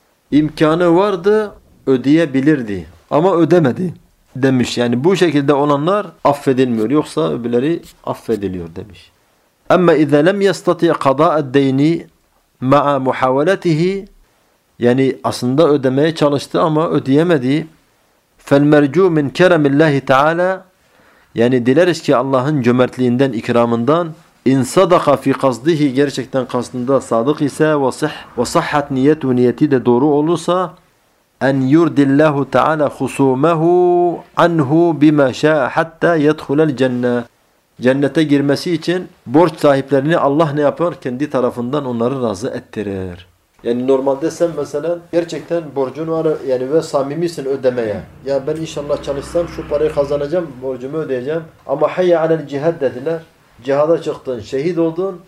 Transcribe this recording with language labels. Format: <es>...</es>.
<tr>İmkanı vardı, ödeyebilirdi ama ödemedi demiş. Yani bu şekilde olanlar affedilmiyor, yoksa öbürleri affediliyor demiş.</tr> <ar>اَمَّا اِذَا لَمْ يَسْتَطِعَ قَضَاءَ الدَّيْنِ مَعَ مُحَوَلَتِهِ.</ar> <tr>Yani aslında ödemeye çalıştı ama ödeyemedi.</tr> <ar>فَالْمَرْجُوا مِنْ كَرَمِ اللّٰهِ تَعَالَى.</ar> <tr>Yani dileriz ki Allah'ın cömertliğinden, ikramından,</tr> <ar>اِنْ صَدَقَ فِي قَصْدِهِ,</ar> <tr>gerçekten kastında sadık ise,</tr> <ar>وَصَحَّتْ نِيَتُ,</ar> <tr>niyeti de doğru olursa,</tr> <ar>اَنْ يُرْدِ اللّٰهُ تَعَالَى خُسُومَهُ عَنْهُ بِمَا شَاءَ حَتَّى يَدْخُلَ الْجَنَّةِ.</ar> <tr>Cennete girmesi için borç sahiplerini Allah ne yapar? Kendi tarafından onları razı ettirir. Yani normalde sen mesela gerçekten borcun var yani ve samimisin ödemeye. Ya ben inşallah çalışsam şu parayı kazanacağım, borcumu ödeyeceğim. Ama hayya alel cihad dediler. Cihada çıktın, şehit oldun.</tr>